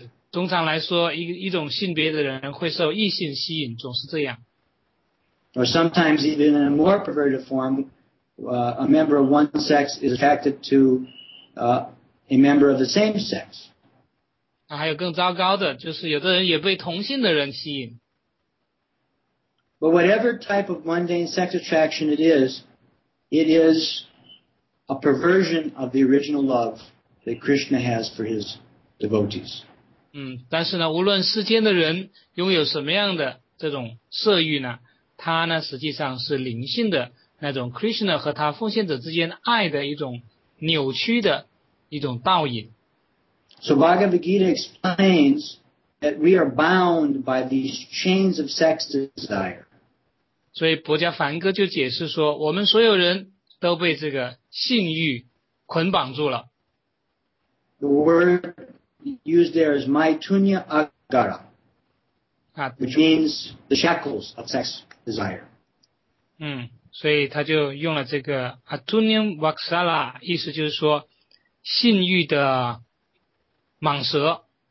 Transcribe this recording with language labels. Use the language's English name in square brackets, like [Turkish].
[Chinese] 通常来说一种性别的人会受异性吸引，总是这样。 [English] Or sometimes even in a more perverted form, a member of one sex is attracted to a member of the same sex. [Chinese] 还有更糟糕的，就是有的人也被同性的人吸引。 [English] But whatever type of mundane sex attraction it is a perversion of the original love that Krishna has for his devotees. [Chinese] 但是呢，无论世间的人拥有什么样的这种色欲呢，它呢实际上是灵性的那种 Krishna 和他奉献者之间爱的一种扭曲的一种倒影。 [English] So Bhagavad Gita explains that we are bound by these chains of sex desire. [Chinese] 所以薄伽梵歌就解释说，我们所有人都被这个性欲捆绑住了。 [English] The word used there is maitunya agara, which means the shackles of sex desire. [Chinese] 所以他就用了这个 atunyam vaksala, 意思就是说性欲的蟒蛇。